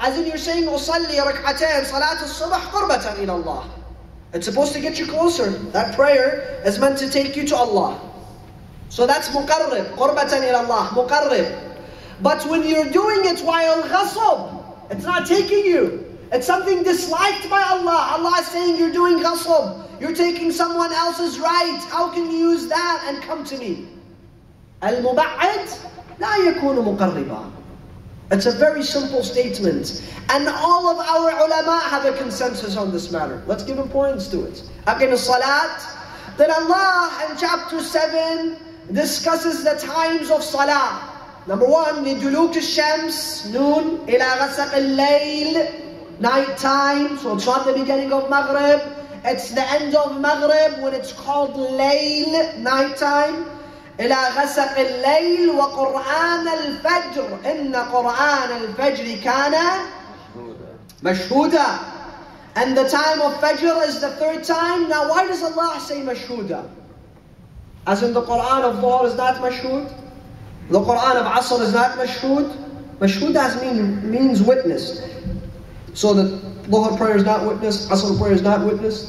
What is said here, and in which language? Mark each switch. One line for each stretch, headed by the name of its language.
English: As in you're saying,
Arabic: أصلي ركعتين صلاة الصبح قربة إلى الله.
English: It's supposed to get you closer. That prayer is meant to take you to Allah. So that's
Arabic: مقرب. قربة إلى الله. مقرب.
English: But when you're doing it while غصب, it's not taking you. It's something disliked by Allah. Allah is saying you're doing ghasb. You're taking someone else's right. How can you use that and come to me?
Arabic: Al-muba'id la yakunu muqarriba.
English: It's a very simple statement. And all of our ulama have a consensus on this matter. Let's give importance to it.
Arabic: Aqim as-salat.
English: Then Allah in chapter 7 discusses the times of salah. Number 1,
Arabic: liduluk al-shams,
English: noon,
Arabic: ila ghasaq al-layl.
English: Night time, so it's not the beginning of Maghrib, It's the end of Maghrib when it's called Layl, nighttime.
Arabic: إلى غسق الليل وقرآن الفجر. إن قرآن الفجر كان مشهودا.
English: And the time of Fajr is the third time. Now why does Allah say مشهودا? As in the Quran of Dhuhr is not مشهود. The Quran of Asr is not مشهود. مشهود means witness. So the Dhuhr prayer is not witnessed. Asr prayer is not witnessed.